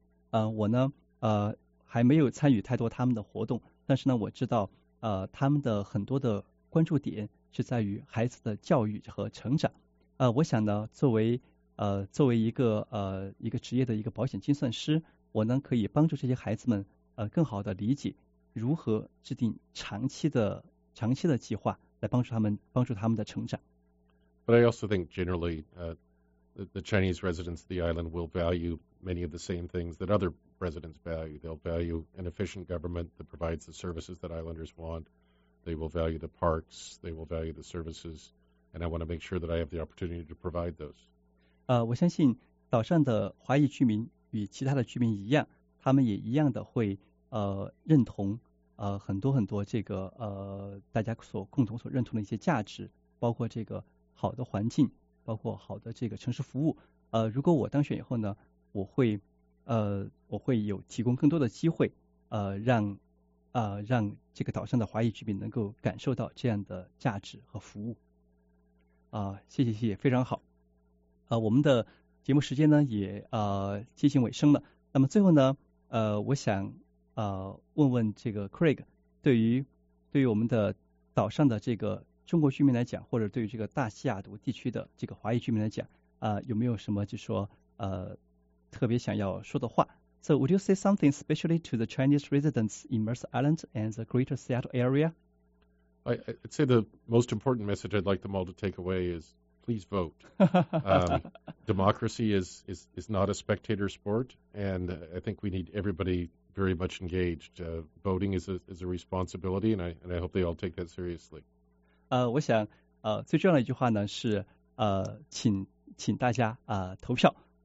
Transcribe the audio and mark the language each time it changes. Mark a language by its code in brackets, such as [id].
[zh] 我呢还没有参与太多他们的活动，但是呢我知道他们的很多的关注点是在于孩子的教育和成长。我想呢作为一个职业的一个保险精算师，我呢可以帮助这些孩子们更好的理解如何制定长期的计划来帮助他们的成长。 [en] But I also think generally the Chinese residents of the island will value many of the same things that other residents value. They'll value an efficient government that provides the services that islanders want. They will value the parks. They will value the services. And I want to make sure that I have the opportunity to provide those. [zh] 我相信岛上的华裔居民与其他的居民一样，他们也一样的会认同很多很多这个大家所共同所认同的一些价值，包括这个好的环境，包括好的这个城市服务。如果我当选以后呢，我会有提供更多的机会，让这个岛上的华裔居民能够感受到这样的价值和服务。谢谢，非常好。我们的节目时间呢也接近尾声了。那么最后呢，我想问问这个 Craig， 对于我们的岛上的这个中国居民来讲，或者对于这个大西雅图地区的这个华裔居民来讲，有没有什么就说特别想要说的话？ [en] So would you say something specially to the Chinese residents in Mercer Island and the Greater Seattle area? I'd say the most important message I'd like them all to take away is please vote. democracy is not a spectator sport, and I think we need everybody very much engaged. Voting is a responsibility, and I hope they all take that seriously. [zh] 我想最重要的一句话呢是请大家投票。